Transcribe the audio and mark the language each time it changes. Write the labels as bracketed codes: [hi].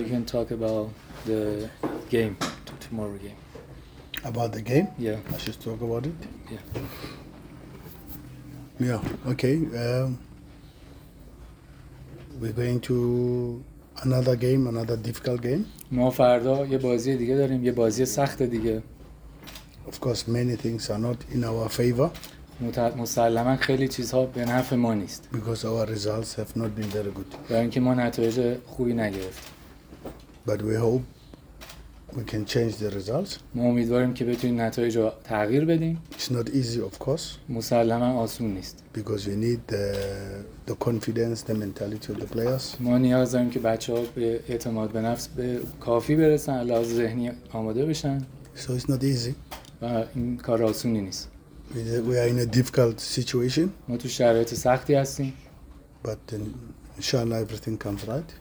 [en] You can talk about the game, tomorrow game. About the game? Yeah. I should talk about it? Yeah. Yeah, okay. We're going to another game, another difficult game. [fa] ما فردا یه بازی دیگه داریم، یه بازی سخت دیگه. [en] Of course, many things are not in our favor. [fa] مسلماً خیلی چیزها به نفع ما نیست. [en] Because our results have not been very good. [fa] برای اینکه ما نتایج خوبی نگرفتیم. [en] But we hope we can change the results. [fa] ما امیدواریم که بتونیم نتایج رو تغییر بدیم. [en] It's not easy, of course. [fa] مسلماً آسون نیست. [en] Because we need the confidence, the mentality of the players. [fa] ما نیاز داریم که بچه‌ها به اعتماد به نفس به کافی برسن، لحاظ ذهنی آماده بشن. [en] So it's not easy. [fa] و این کار آسونی نیست. [en] We are in a difficult situation. [fa] ما تو شرایط سختی هستیم. [en] But then, inshallah everything comes right.